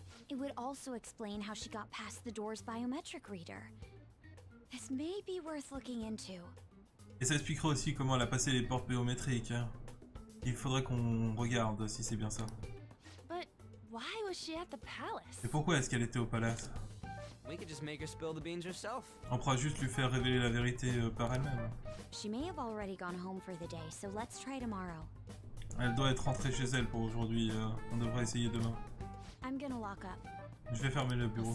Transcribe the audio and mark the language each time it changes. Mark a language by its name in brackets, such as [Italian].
[English] It would also explain how she got past the door's biometric reader. This may be worth looking into. [French] Et ça expliquerait aussi comment elle a passé les portes biométriques. Il faudrait qu'on regarde si c'est bien ça. [English] But why was she at the palace? [French] Et pourquoi est-ce qu'elle était au palace? [English] We could just make her spill the beans herself. [French] On pourra juste lui faire révéler la vérité par elle-même. [English] She may have already gone home for the day, so let's try tomorrow. [French] Elle doit être rentrée chez elle pour aujourd'hui. On devrait essayer demain. [English] I'm gonna lock up. [French] Je vais fermer le bureau.